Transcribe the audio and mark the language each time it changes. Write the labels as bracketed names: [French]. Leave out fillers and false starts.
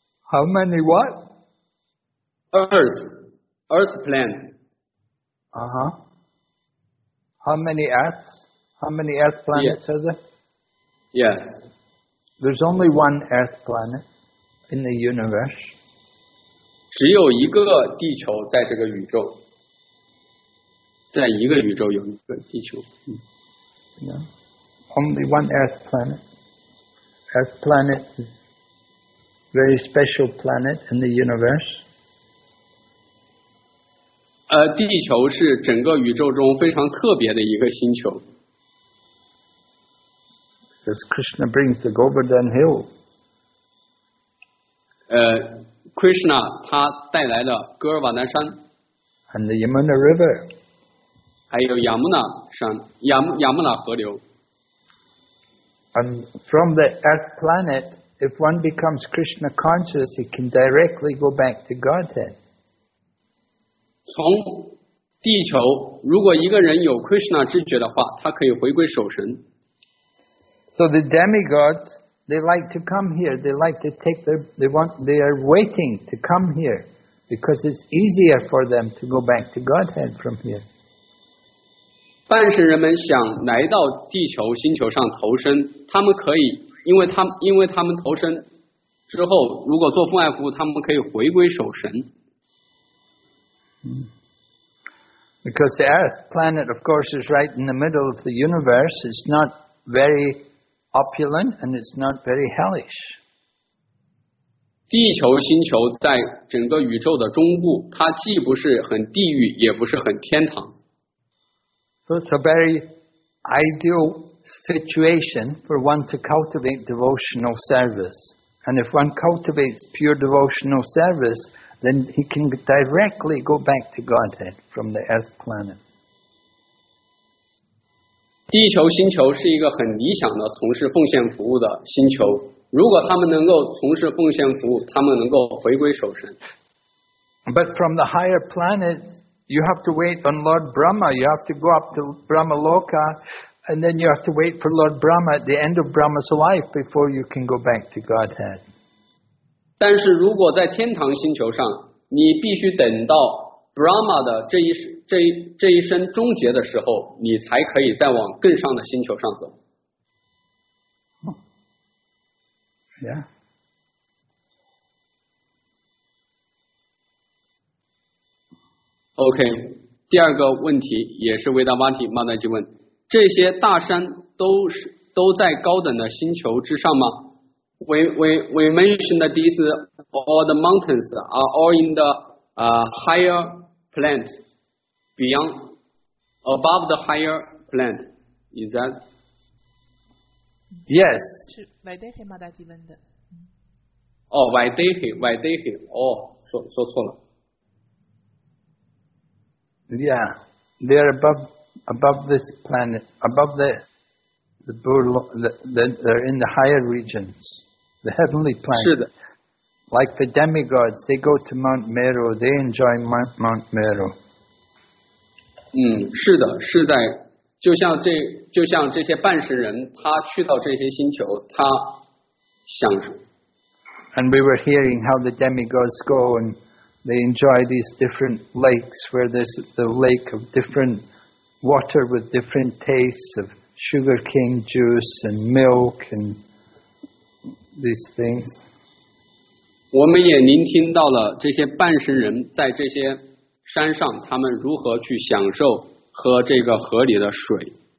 [English] How many what? Earth plan. Uh-huh. How many Earths? How many Earth planets yes. are there? Yes. There's only one Earth planet in the universe. [Chinese] 只有一个地球在这个宇宙。在一个宇宙有一个地球。 [English] Yeah. Only one Earth planet. Earth planet is a very special planet in the universe. [Chinese] 地球是整个宇宙中非常特别的一个星球。 [English] Because Krishna brings the Govardhan Hill. [Chinese] Krishna, 他带来了哥尔瓦丹山, [English] and the Yamuna River. [Chinese] 还有亚木纳山, Yamuna河流. [English] And from the Earth planet, if one becomes Krishna conscious, he can directly go back to Godhead. [Chinese] 从地球, 如果一个人有 Krishna 知觉的话, 他可以回归守神。 [English] So the demigods, they like to come here. They like to take their, they want, they are waiting to come here because it's easier for them to go back to Godhead from here. [Chinese] 半神人们想来到地球星球上投身，他们可以，因为他们投身之后，如果做奉爱服务，他们可以回归守神。 [English] Because the Earth planet, of course, is right in the middle of the universe. It's not very opulent, and it's not very hellish. [Chinese] 地球星球在整个宇宙的中部，它既不是很地狱，也不是很天堂。 [English] So it's a very ideal situation for one to cultivate devotional service. And if one cultivates pure devotional service, then he can directly go back to Godhead from the earth planet. [Chinese] 地球星球是一个很理想的从事奉献服务的星球。如果他们能够从事奉献服务，他们能够回归守神。 [English] But from the higher planets, you have to wait on Lord Brahma. You have to go up to Brahma Loka, and then you have to wait for Lord Brahma at the end of Brahma's life before you can go back to Godhead. [Chinese] 但是如果在天堂星球上，你必须等到 Brahma 的这一生终结的时候，你才可以再往更上的星球上走。 [English] Yeah. [Chinese] OK, 第二个问题也是维达瓦提马代基问，这些大山都在高等的星球之上吗？ [English] We mentioned that these all the mountains are all in the higher planet, beyond, above the higher planet. Is that? Yes. [Chinese] 是维达提马代基问的。哦 Vaidehi, 哦、oh, 说错了。 [English] Yeah, they're above this planet, above the Burlo, they're in the higher regions, the heavenly planet. [Chinese] 是的。 [English] Like the demigods, they go to Mount Meru, they enjoy Mount Meru. [Chinese] 嗯，是的，是在，就像这些半神人，他去到这些星球，他享受。 [English] And we were hearing how the demigods go and they enjoy these different lakes where there's the lake of different water with different tastes of sugarcane juice and milk and these things. [Chinese] 我们也聆听到了这些半神人在这些山上他们如何去享受喝这个河里的水。